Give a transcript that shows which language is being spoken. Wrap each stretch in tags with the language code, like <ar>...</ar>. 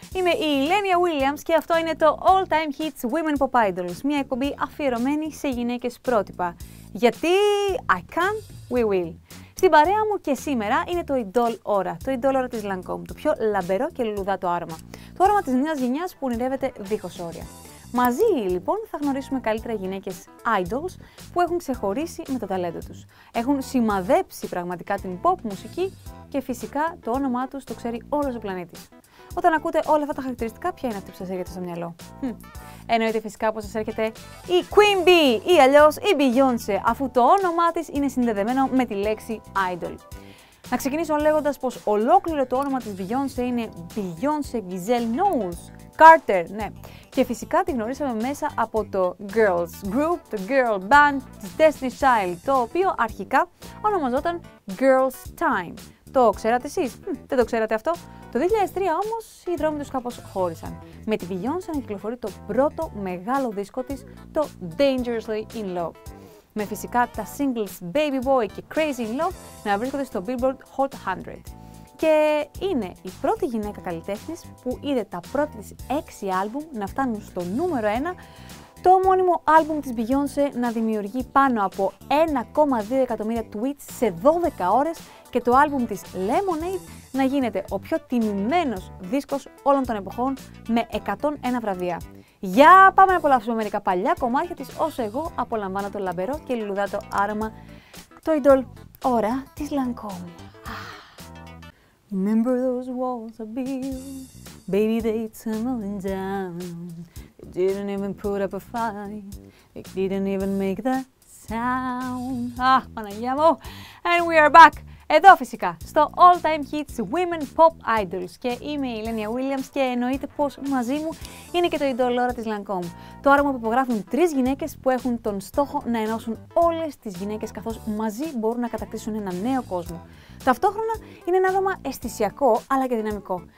<el>Είμαι η Ηλένια Williams και αυτό είναι το All Time Hits Women Pop Idols, μια εκπομπή αφιερωμένη σε γυναίκες πρότυπα. Γιατί</el> <en>I can, we will.</en> <el>Στην παρέα μου και σήμερα είναι το Idol Aura, το Idol Aura της Lancôme, το πιο λαμπερό και λουλουδάτο άρωμα. Το άρωμα της νέας γενιάς που ονειρεύεται δίχως όρια. Μαζί λοιπόν θα γνωρίσουμε καλύτερα γυναίκες idols που έχουν ξεχωρίσει με το ταλέντο τους. Έχουν σημαδέψει πραγματικά την pop μουσική και φυσικά το όνομά τους το ξέρει όλος ο πλανήτης. Όταν ακούτε όλα αυτά τα χαρακτηριστικά, ποια είναι αυτή που σας έρχεται στο μυαλό? Εννοείται φυσικά πως σας έρχεται η Queen Bee ή αλλιώς η Beyoncé, αφού το όνομά της είναι συνδεδεμένο με τη λέξη idol. Να ξεκινήσω λέγοντας πως ολόκληρο το όνομα της Beyoncé είναι Beyoncé Giselle Knowles Carter, ναι. Και φυσικά τη γνωρίσαμε μέσα από το Girls Group, το Girl Band της Destiny's Child, το οποίο αρχικά ονομαζόταν Girls Time. Το ξέρατε εσείς? Δεν το ξέρατε αυτό? Το 2003 όμως οι δρόμοι τους κάπως χώρισαν. Με τη Beyoncé να κυκλοφορεί το πρώτο μεγάλο δίσκο της, το Dangerously In Love. Με φυσικά τα singles Baby Boy και Crazy In Love να βρίσκονται στο Billboard Hot 100. Και είναι η πρώτη γυναίκα καλλιτέχνης που είδε τα πρώτα της 6 άλμπουμ να φτάνουν στο νούμερο 1, το ομώνυμο άλμπουμ της Beyoncé να δημιουργεί πάνω από 1,2 εκατομμύρια tweets σε 12 ώρες και το άλμπουμ της Lemonade να γίνεται ο πιο τιμημένος δίσκος όλων των εποχών με 101 βραβεία. Για πάμε να απολαύσουμε μερικά παλιά κομμάτια της όσο εγώ απολαμβάνω το λαμπερό και λουλουδάτο άρωμα, το Idol Aura της Lancôme.</el> <en>Remember those walls I built? Baby, they tumbling down. They didn't even put up a fight. They didn't even make that sound.</en> <el>Ah, Παναγία μου!</el> <en>And we are back!</en> <el>Εδώ φυσικά, στο All Time Hits Women Pop Idols. Και είμαι η Ηλένια Williams και εννοείται πως μαζί μου είναι και το Idol Aura της Lancôme. Το άρωμα που υπογράφουν τρεις γυναίκες που έχουν τον στόχο να ενώσουν όλες τις γυναίκες καθώς μαζί μπορούν να κατακτήσουν ένα νέο κόσμο. Ταυτόχρονα είναι ένα άρωμα αισθησιακό αλλά και δυναμικό.</el>